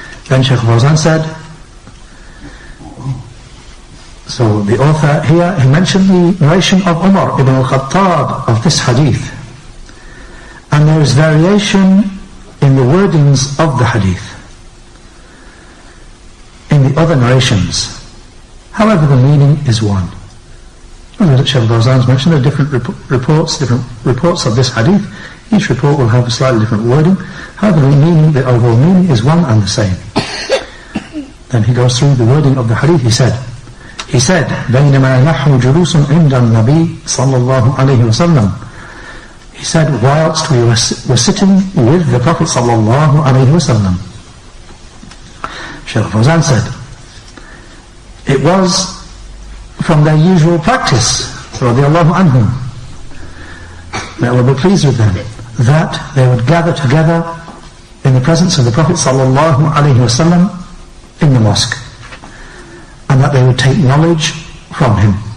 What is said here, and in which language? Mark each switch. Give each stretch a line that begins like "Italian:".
English: Then Shaykh al-Fawzan said, so the author here, he mentioned the narration of Umar ibn al-Khattab of this hadith, and there is variation in the wordings of the hadith in the other narrations. However, the meaning is one. And Shaykh al-Fawzan mentioned there are different reports of this hadith. Each report will have a slightly different wording. However, the overall meaning is one and the same. Then he goes through the wording of the hadith.
Arabic: He said, بَيْنَمَا نَحْنُ جُلُوسٌ عِنْدَ النَّبِيِّ صَلَّى اللَّهُ عَلَيْهِ وَسَلَّمْ.
English: He said, whilst we were sitting with the Prophet
Arabic: صلى الله عليه وسلم.
English: Shaykh al-Fawzan said, it was from their usual practice, radiallahu anhum, may Allah be pleased with them, that they would gather together in the presence of the Prophet sallallahu alaihi wasallam in the mosque, and that they would take knowledge from him,